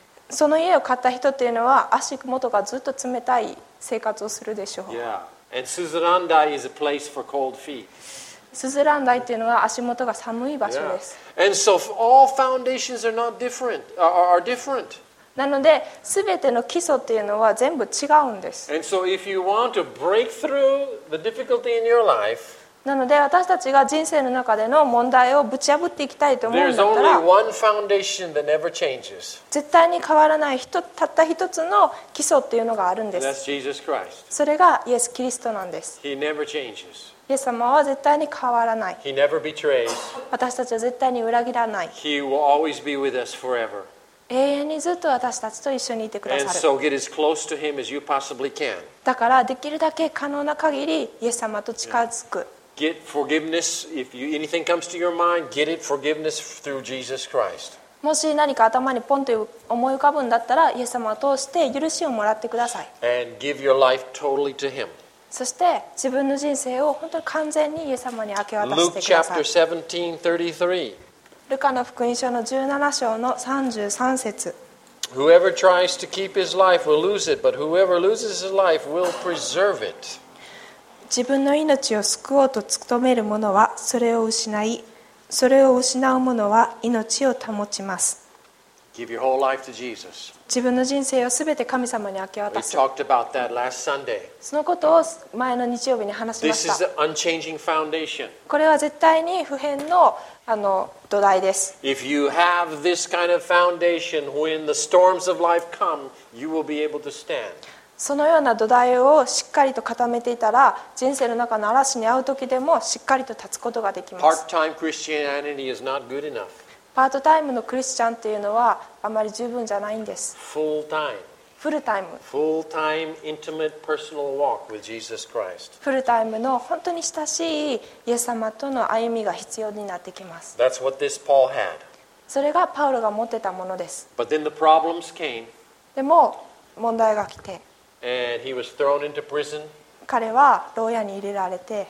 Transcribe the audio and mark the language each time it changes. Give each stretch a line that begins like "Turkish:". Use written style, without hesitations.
Japanese: その家を買った人っていうのは足元がずっと冷たい生活をするでしょう。
English: Yeah, and Suzurandai is a place for cold feet.
Japanese: Suzurandai っていうのは足元が寒い場所です。
English: Yeah. And so all foundations are not different. Are different.
Japanese: なので全ての基礎っていうのは全部違うんです。
English: And so if you want to break through the difficulty in your life,
Japanese: なので私たちが人生の中での問題をぶち破っていきたいと思うんだったら、
English: There's only one foundation that never changes.
Japanese: 絶対に変わらない、たった一つの基礎っていうのがあるんです。
English: And that's Jesus Christ.
Japanese: それがイエス・キリストなんです。
English: He never changes.
Japanese: イエス様は絶対に変わらない。
English: He never betrays.
Japanese: 私たちは絶対に裏切らない。
English: He will always be with us forever.
Japanese: 永遠にずっと私たちと一緒にいてくださる。
English: as close to him as you possibly can.
Japanese: だからできるだけ可能な限りイエス様と近づく。
English: Get forgiveness if you, anything comes to your mind, get it forgiveness through Jesus Christ.
Japanese: もし何か頭にポンと思い浮かぶんだったらイエス様を通して許しをもらってください。
English: And give your life totally to him.
Japanese: そして自分の人生を本当に完全にイエス様に明け渡してください。
English: Luke chapter 17:33.
Japanese: ルカの福音書の17章の33節。
English: Whoever tries to keep his life will lose it, but whoever loses his life will preserve it.
Japanese: 自分の命を救おうと努める者はそれを失い、それを失う者は命を保ちます。
English: Give your whole life to Jesus.
Japanese: 自分の人生をすべて神様に明け渡す。
English: We talked about that last Sunday.
Japanese: そのことを前の日曜日に話しました。
English: This is an unchanging foundation.
Japanese: これは絶対に不変のあの土台です。
English: If you have this kind of foundation, when the storms of life come, you will be able to stand.
Japanese: そのような土台をしっかりと固めていたら、人生の中の嵐に遭う時でもしっかりと立つことができます。
English: Part-time Christianity is not good enough.
Japanese: パートタイムのクリスチャンっていうのはあまり十分じゃないんです。
English: Full-time intimate personal walk with Jesus Christ.
Japanese: フルタイムの本当に親しいイエス様との歩みが必要になってきます。
English: That's what this Paul had.
Japanese: それがパウロが持ってたものです。
English: But then the problems came.
Japanese: でも問題が来て。
English: And he was thrown into prison.
Japanese: 彼は牢屋に入れられて。